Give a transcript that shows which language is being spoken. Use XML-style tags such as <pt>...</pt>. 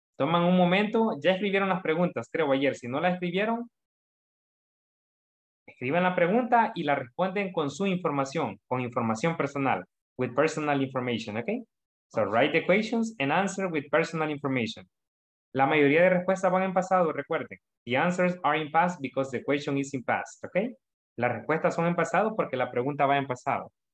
<es>Toman un momento. Ya escribieron las preguntas, creo, ayer. Si no las escribieron, escriban la pregunta y la responden con su información, con información personal,</es> <en>with personal information,</en> <es>okay?</es> <en>So write the questions and answer with personal information.</en> <es>La mayoría de respuestas van en pasado, recuerden.</es> <en>The answers are in past because the question is in past, okay?</en> <es>Las respuestas son en pasado porque la pregunta va en pasado.</es>